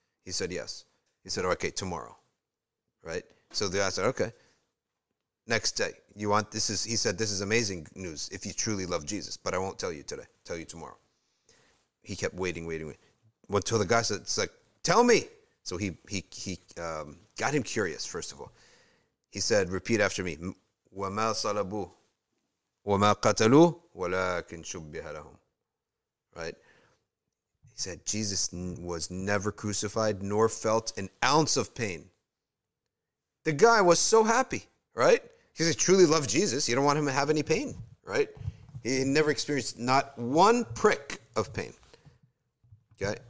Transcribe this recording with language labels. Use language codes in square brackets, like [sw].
[en] He said, yes. He said, okay, tomorrow. Right? So the guy said, okay. Next day, you want, this is, he said, this is amazing news if you truly love Jesus, but I won't tell you today, tell you tomorrow. He kept waiting. Until the guy said, it's like, tell me. So he got him curious, first of all. He said, repeat after me, [ar] وَمَا صَلَبُوا وَمَا قَتَلُوا وَلَكِنْ شُبِّهَ لَهُمْ. [en] Right? He said, Jesus was never crucified nor felt an ounce of pain. The guy was so happy, right? He said, truly love Jesus. You don't want him to have any pain, right? He never experienced not one prick of pain. Okay?